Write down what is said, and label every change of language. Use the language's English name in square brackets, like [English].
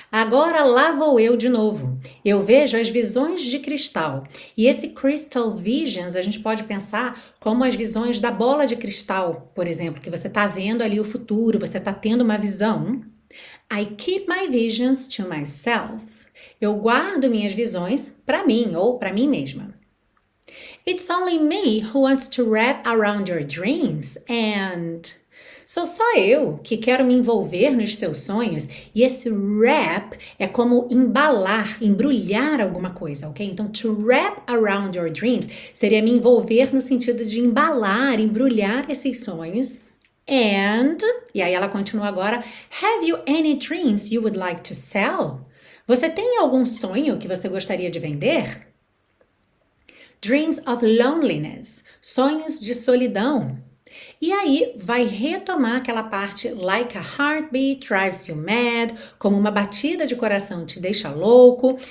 [Portuguese] Agora lá vou eu de novo. Eu vejo as visões de cristal. E esse crystal visions a gente pode pensar como as visões da bola de cristal, por exemplo, que você está vendo ali o futuro, você está tendo uma visão. [English] I keep my visions to myself. [Portuguese] Eu guardo minhas visões para mim ou para mim mesma. [English] It's only me who wants to wrap around your dreams and. [Portuguese] Sou só eu que quero me envolver nos seus sonhos. E esse wrap é como embalar, embrulhar alguma coisa, ok? Então, [English] to wrap around your dreams [Portuguese] seria me envolver no sentido de embalar, embrulhar esses sonhos. And. E aí ela continua agora. [English] Have you any dreams you would like to sell? [Portuguese] Você tem algum sonho que você gostaria de vender? [English] Dreams of loneliness, [Portuguese] sonhos de solidão. E aí vai retomar aquela parte [English] like a heartbeat drives you mad, [Portuguese] como uma batida de coração te deixa louco.